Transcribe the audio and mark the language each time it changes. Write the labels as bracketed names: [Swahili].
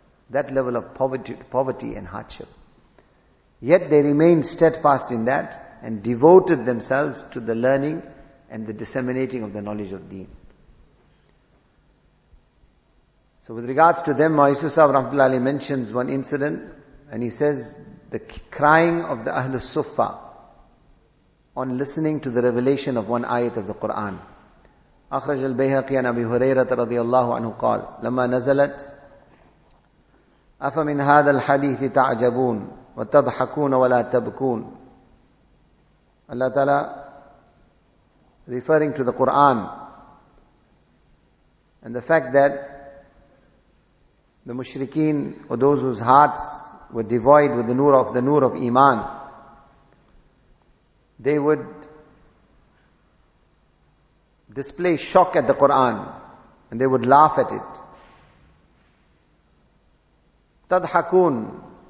[English] That level of poverty and hardship. Yet they remained steadfast in that and devoted themselves to the learning and the disseminating of the knowledge of deen. So with regards to them, Mawlana Yusuf Sahib Rahmatullah Alayhi mentions one incident, and he says, the crying of the Ahlul Suffa on listening to the revelation of one ayat of the Qur'an. [Arabic] أخرج البيهقي عن أبي هريرة رضي الله عنه قال لما نزلت أفمن هذا الحديث تعجبون وتضحكون ولا تبكون. [English] Allah Ta'ala referring to the Qur'an and the fact that the mushrikeen or those whose hearts were devoid with the noor of Iman, they would display shock at the Qur'an and they would laugh at it. تَضْحَكُونَ